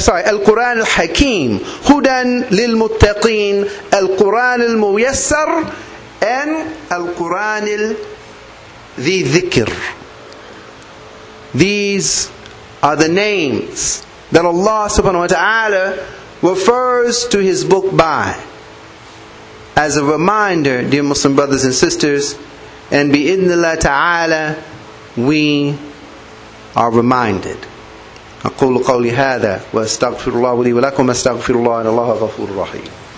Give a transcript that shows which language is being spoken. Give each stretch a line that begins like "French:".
Arabic: القرآن الحكيم هدى للمتقين القرآن الميسر أن القرآن ذي ذكر
English: These are the names that Allah subhanahu wa ta'ala refers to his book by. As a reminder, dear Muslim brothers and sisters, and bi'idhnillah ta'ala, we are reminded.
Arabic: أقول قولي هذا وأستغفر الله لي ولكم أستغفر الله إن الله غفور رحيم.